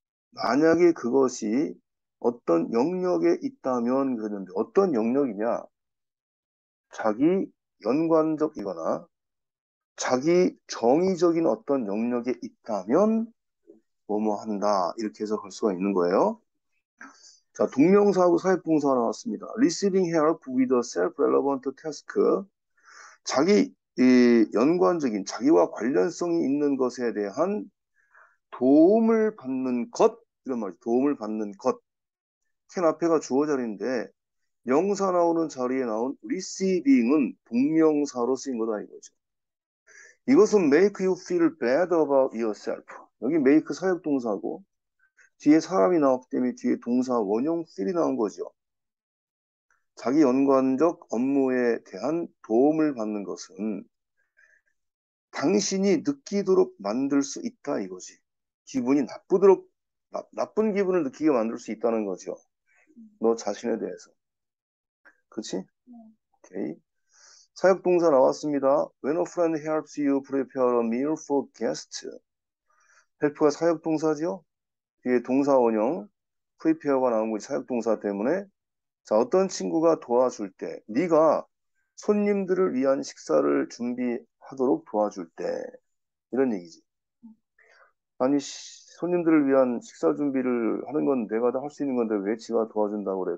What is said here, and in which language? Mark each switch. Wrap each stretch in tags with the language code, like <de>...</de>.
<ko>만약에 그것이 어떤 영역에 있다면 그랬는데, 어떤 영역이냐? 자기 연관적이거나, 자기 정의적인 어떤 영역에 있다면 뭐뭐한다 이렇게 해석할 수가 있는 거예요. 자, 동명사하고 사회봉사가 나왔습니다.</ko> <en>Receiving help with a self-relevant task.</en> <ko>자기 연관적인 자기와 관련성이 있는 것에 대한 도움을 받는 것, 이런 말이죠. 도움을 받는 것. can 앞에가 주어 자리인데 명사 나오는 자리에 나온 receiving은 동명사로 쓰인 거다 이거죠. 이것은</ko> <en>make you feel bad about yourself.</en> <ko>여기 make 사역동사고, 뒤에 사람이 나왔기 때문에 뒤에 동사 원형 feel이 나온 거죠. 자기 연관적 업무에 대한 도움을 받는 것은 당신이 느끼도록 만들 수 있다 이거지. 기분이 나쁘도록, 나쁜 기분을 느끼게 만들 수 있다는 거죠. 너 자신에 대해서. 그치? 오케이. 사역동사 나왔습니다.</ko> <en>When a friend helps you prepare a meal for guests.</en> <ko>헬프가 사역동사죠? 뒤에 동사원형, prepare가 나온 거지, 사역동사 때문에. 자, 어떤 친구가 도와줄 때, 네가 손님들을 위한 식사를 준비하도록 도와줄 때. 이런 얘기지. 아니, 손님들을 위한 식사 준비를 하는 건 내가 다할수 있는 건데 왜 지가 도와준다고 그래?</ko>